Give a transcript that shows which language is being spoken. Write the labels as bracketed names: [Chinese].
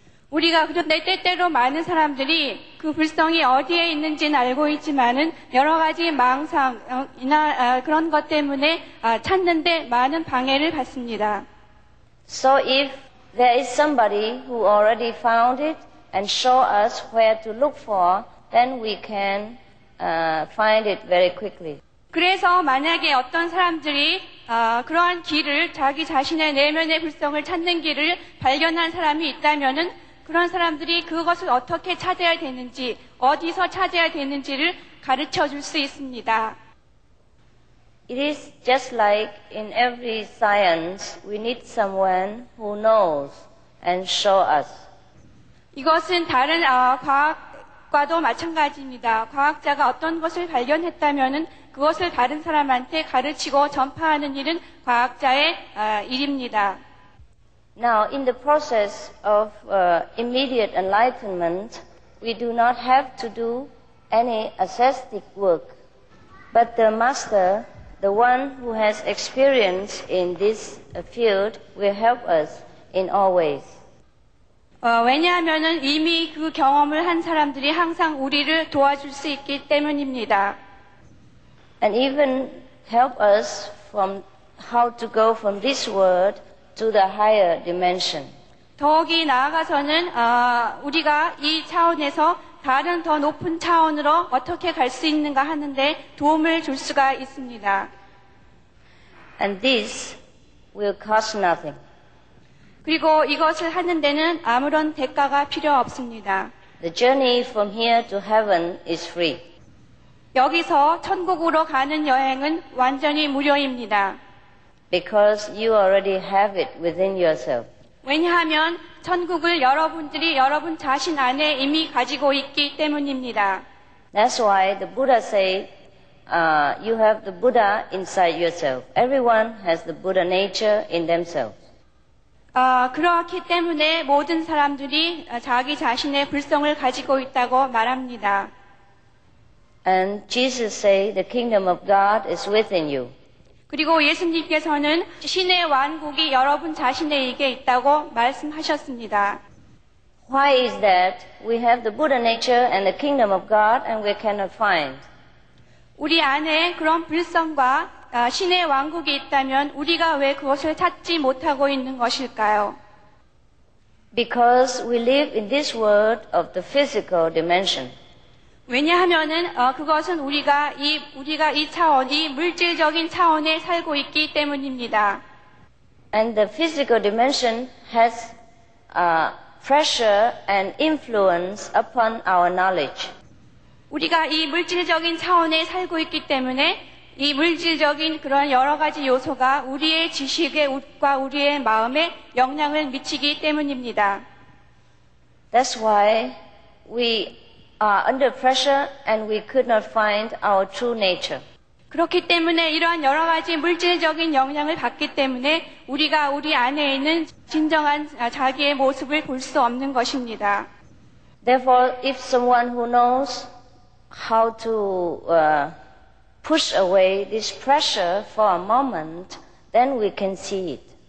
[Korean] 우리가 그런데 때때로 많은 사람들이 그 불성이 어디에 있는지는 알고 있지만은 여러 가지 망상이나 그런 것 때문에 찾는 데 많은 방해를 받습니다. [English] So if there is somebody who already found it and show us where to look for, then we can find it very quickly. [Korean] 그래서 만약에 어떤 사람들이 그러한 길을 자기 자신의 내면의 불성을 찾는 길을 발견한 사람이 있다면은 그런 사람들이 그것을 어떻게 찾아야 되는지 어디서 찾아야 되는지를 가르쳐 줄 수 있습니다. [English] It is just like in every science we need someone who knows and show us. [Korean] 이것은 다른 과학과도 마찬가지입니다. 과학자가 어떤 것을 발견했다면은 그것을 다른 사람한테 가르치고 전파하는 일은 과학자의 일입니다. [English] Now, in the process of immediate enlightenment, we do not have to do any ascetic work. But the master, the one who has experience in this field, will help us in all ways. [Korean] 왜냐하면은 이미 그 경험을 한 사람들이 항상 우리를 도와줄 수 있기 때문입니다. [English] And even help us from how to go from this world to the higher dimension. [Korean] 더욱이 나아가서는 우리가 이 차원에서 다른 더 높은 차원으로 어떻게 갈 수 있는가 하는데 도움을 줄 수가 있습니다. [English] And this will cost nothing. [Korean] 그리고 이것을 하는 데는 아무런 대가가 필요 없습니다. [English] The journey from here to heaven is free. [Korean] 여기서 천국으로 가는 여행은 완전히 무료입니다. [English] Because you already have it within yourself. [Korean] 왜냐하면 천국을 여러분들이 여러분 자신 안에 이미 가지고 있기 때문입니다. [English] That's why the Buddha said, You have the Buddha inside yourself. Everyone has the Buddha nature in themselves. [Korean] 그렇기 때문에 모든 사람들이 자기 자신의 불성을 가지고 있다고 말합니다. [English] And Jesus say the kingdom of God is within you. [Korean] 그리고 예수님께서는 신의 왕국이 여러분 자신에게 있다고 말씀하셨습니다. [English] Why is that we have the Buddha nature and the kingdom of God and we cannot find? [Korean] 우리 안에 그런 불성과 신의 왕국이 있다면 우리가 왜 그것을 찾지 못하고 있는 것일까요? [English] Because we live in this world of the physical dimension. [Korean] 왜냐하면은 그것은 우리가 이 차원, 이 물질적인 차원에 살고 있기 때문입니다. [English] And the physical dimension has pressure and influence upon our knowledge. [Korean] 우리가 이 물질적인 차원에 살고 있기 때문에 이 물질적인 그런 여러 가지 요소가 우리의 지식과 우리의 마음에 영향을 미치기 때문입니다. [English] That's why we are under pressure and we could not find our true nature. [Korean] 그렇기 때문에 이러한 여러 가지 물질적인 영향을 받기 때문에 우리가 우리 안에 있는 진정한 자기의 모습을 볼 수 없는 것입니다. [English] Therefore, if someone who knows how to push away this pressure for a moment, then we can see it.